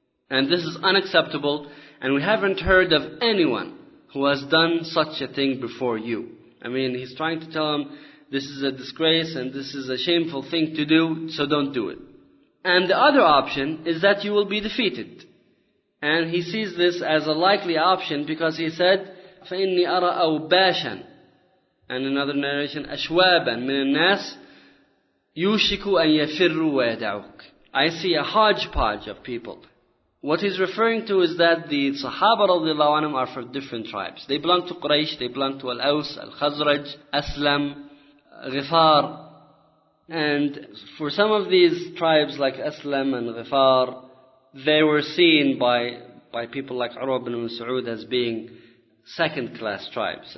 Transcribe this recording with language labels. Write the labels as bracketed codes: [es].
[en] And this is unacceptable. And we haven't heard of anyone who has done such a thing before you. I mean, he's trying to tell him, this is a disgrace and this is a shameful thing to do, so don't do it. And the other option is that you will be defeated. And he sees this as a likely option, because he said, [ar] فَإِنِّي أَرَى أَوْبَاشًا. [en] And another narration, [ar] أَشْوَابًا مِنَ النَّاسِ يُوشِكُ أَن يَفِرُّ وَيَدَعُكُ. [en] I see a hodgepodge of people. What he's referring to is that the Sahaba radiallahu anhum are from different tribes. They belong to Quraysh, they belong to Al-Aws, Al-Khazraj, Aslam, Ghifar. And for some of these tribes like Aslam and Ghifar, they were seen by people like Urwa ibn Mas'ud as being second-class tribes.